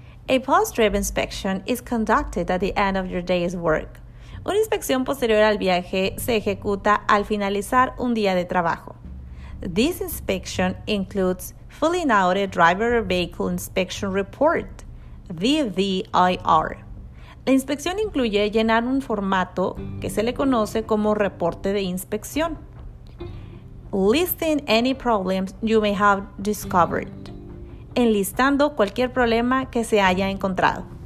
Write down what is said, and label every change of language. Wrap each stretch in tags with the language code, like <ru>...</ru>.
<en>A post-trip inspection is conducted at the end of your day's work.</en> <es>Una inspección posterior al viaje se ejecuta al finalizar un día de trabajo.</es> <en>This inspection includes fully audited driver vehicle inspection report, VVIR.</en> <es>La inspección incluye llenar un formato que se le conoce como reporte de inspección.</es> <en>Listing any problems you may have discovered.</en> <es>Enlistando cualquier problema que se haya encontrado.</es>